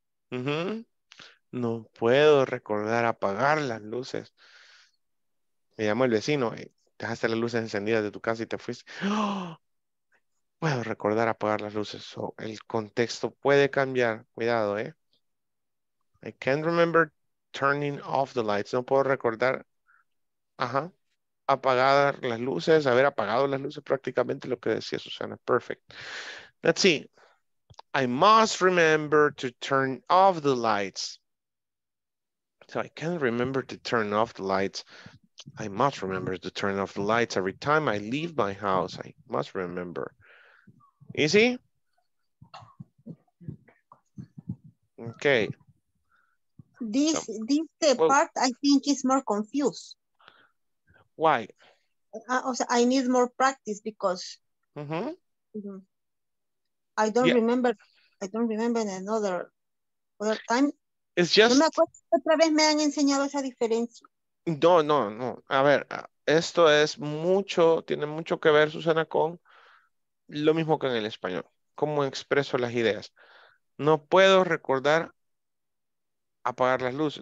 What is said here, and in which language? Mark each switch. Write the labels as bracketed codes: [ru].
[es] Mm-hmm. No puedo recordar apagar las luces. Me llamó el vecino. Dejaste las luces encendidas de tu casa y te fuiste. Oh, puedo recordar apagar las luces. So, el contexto puede cambiar. Cuidado, eh. [en] I can't remember turning off the lights. [es] No puedo recordar apagar las luces, haber apagado las luces, prácticamente lo que decía Susana. [en] Perfect. Let's see. I must remember to turn off the lights. So I can't remember to turn off the lights. I must remember to turn off the lights every time I leave my house. I must remember. Easy? Okay. This part I think is more confused. Why? I need more practice because I don't remember another time. It's just [es] una cosa que otra vez me han enseñado esa diferencia. No. A ver, esto es mucho, tiene mucho que ver, Susana, con lo mismo que en el español. Cómo expreso las ideas. No puedo recordar apagar las luces.